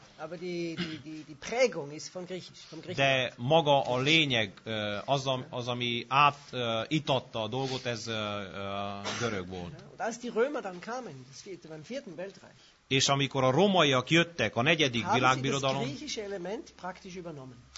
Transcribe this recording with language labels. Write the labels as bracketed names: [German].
[German] Aber die Prägung ist von griechisch, vom griechisch. [Hungarian] De maga a lényeg, az ami átitatta a dolgot, ez görög volt. [German] Und als die Römer dann kamen, das vierte, beim vierten Weltreich. [Hungarian] És amikor a rómaiak jöttek a negyedik világbirodalom, [German] haben sie das griechische Element praktisch übernommen.